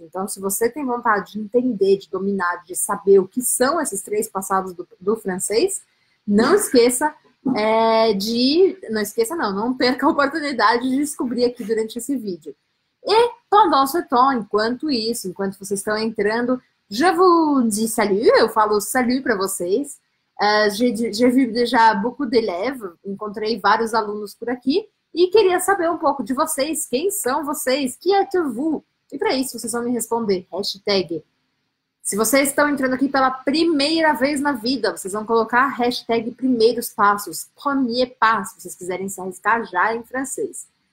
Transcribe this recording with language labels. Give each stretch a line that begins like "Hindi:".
Portuguese: Então, se você tem vontade de entender, de dominar, de saber o que são esses três passados do francês, não esqueça, não esqueça, não perca a oportunidade de descobrir aqui durante esse vídeo. E,
French: pendant ce temps,
Portuguese: enquanto isso, enquanto vocês estão entrando,
French: je vous dis salut,
Portuguese: eu falo salut para vocês.
French: J'ai vu déjà beaucoup d'élèves,
Portuguese: encontrei vários alunos por aqui. E queria saber um pouco de vocês, quem são vocês,
French: qui êtes-vous?
Portuguese: E para isso vocês vão me responder, hashtag. Se vocês estão entrando aqui pela primeira vez na vida, vocês vão colocar a hashtag primeiros passos,
French: premier pas,
Portuguese: se vocês quiserem se arriscar já em francês.